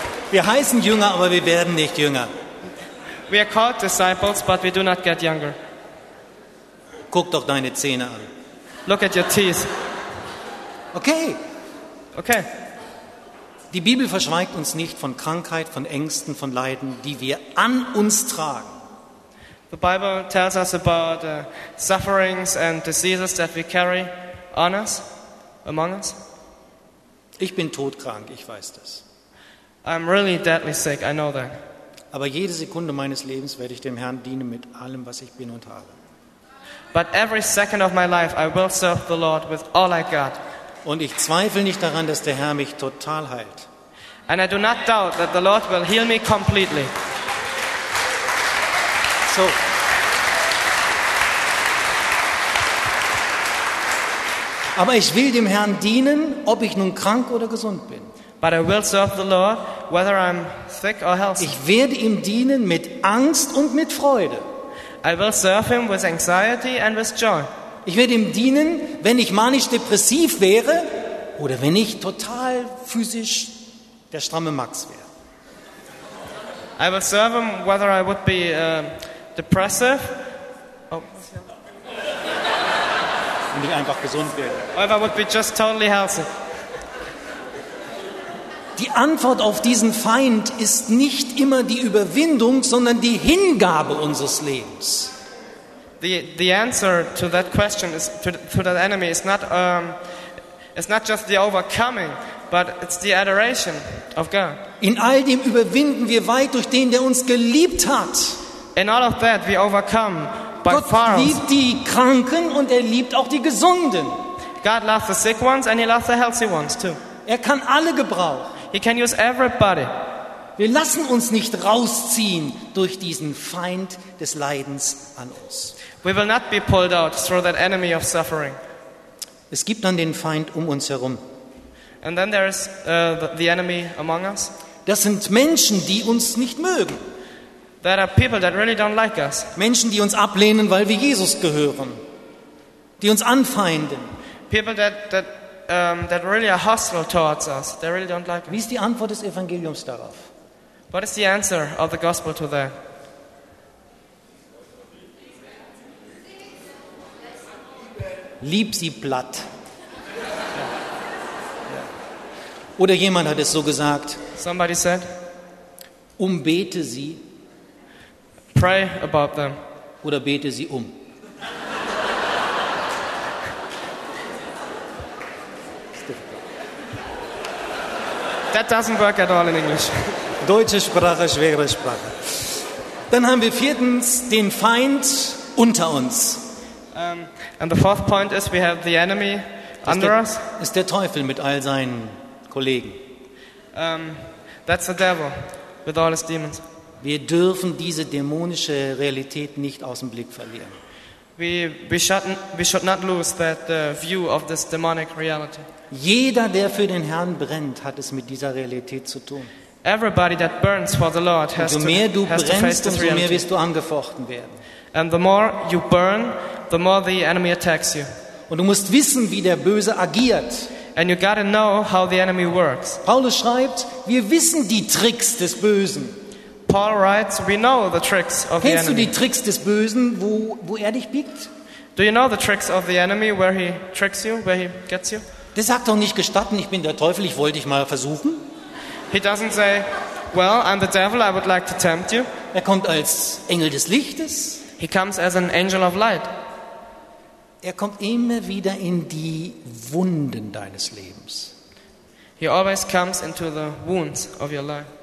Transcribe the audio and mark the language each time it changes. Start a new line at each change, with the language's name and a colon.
German: Wir heißen Jünger, aber wir werden nicht jünger.
English: We are called disciples, but we do not get younger.
German: Guck doch deine Zähne an.
English: Look at your teeth.
German: Okay.
English: Okay.
German: Die Bibel verschweigt uns nicht von Krankheit, von Ängsten, von Leiden, die wir an uns tragen.
English: The Bible tells us about sufferings and diseases that we carry on us, among us.
German: Ich bin todkrank, ich weiß das.
English: I'm really deadly sick, I know that.
German: Aber jede Sekunde meines Lebens werde ich dem Herrn dienen mit allem, was ich bin und habe.
English: But every second of my life I will serve the Lord with all I got.
German: Und ich zweifle nicht daran, dass der Herr mich total heilt.
English: And I do not doubt that the Lord will heal me completely.
German: So. Aber ich will dem Herrn dienen, ob ich nun krank oder gesund bin.
English: But I will serve the Lord, whether I'm sick or healthy.
German: Ich werde ihm dienen mit Angst und mit Freude.
English: I will serve him with anxiety and with joy.
German: Ich werde ihm dienen, wenn ich manisch depressiv wäre oder wenn ich total physisch der stramme Max wäre.
English: I will serve him whether I would be depressive.
German: Wenn ich einfach gesund wäre.
English: Or if I would be just totally healthy.
German: Die Antwort auf diesen Feind ist nicht immer die Überwindung, sondern die Hingabe unseres Lebens.
English: The answer to that question is to that enemy is not it's not just the overcoming, but it's the adoration of God.
German: In all dem überwinden wir weit durch den, der uns geliebt hat.
English: In all of that we overcome by Gott far.
German: Gott liebt die Kranken und er liebt auch die Gesunden.
English: God loves the sick ones and he loves the healthy ones too.
German: Er kann alle gebrauchen.
English: He can use everybody.
German: Wir lassen uns nicht rausziehen durch diesen Feind des Leidens an uns.
English: We will not be pulled out through that enemy of suffering.
German: Es gibt dann den Feind um uns herum.
English: And then there is the enemy among us.
German: Das sind Menschen, die uns nicht mögen.
English: There are people that really don't like us.
German: Menschen, die uns ablehnen, weil wir Jesus gehören. Die uns anfeinden.
English: People that really are hostile towards us. They really don't like us.
German: Wie ist die Antwort des Evangeliums darauf?
English: What is the answer of the gospel to that?
German: Lieb sie platt. Oder jemand hat es so gesagt.
English: Somebody said.
German: Umbete sie.
English: Pray about them.
German: Oder bete sie um.
English: That doesn't work at all in English.
German: Deutsche Sprache, schwere Sprache. Dann haben wir viertens den Feind unter uns.
English: And the fourth point is we have the enemy under us.
German: Ist der Teufel mit all seinen Kollegen.
English: That's the devil with all his demons.
German: Wir dürfen diese dämonische Realität nicht aus dem Blick verlieren.
English: We should not lose that view of this demonic reality.
German: Jeder, der für den Herrn brennt, hat es mit dieser Realität zu tun.
English: Everybody that burns for the Lord has to face this reality.
German: Je mehr du brennst, umso mehr wirst du angefochten werden.
English: And the more you burn, the more the enemy attacks you.
German: Und du musst wissen, wie der Böse agiert.
English: And you gotta know how the enemy works.
German: Paulus schreibt: Wir wissen die Tricks des Bösen.
English: Paul writes: We know the tricks of the enemy.
German: Kennst du die Tricks des Bösen, wo er dich biegt?
English: Do you know the tricks of the enemy, where he tricks you, where he gets you?
German: Der sagt doch nicht gestatten, ich bin der Teufel, ich wollte dich mal versuchen.
English: He doesn't say, well, I'm the devil, I would like to tempt you.
German: Er kommt als Engel des Lichtes.
English: He comes as an angel of light.
German: Er kommt immer wieder in die Wunden deines Lebens.
English: He always comes into the wounds of your life.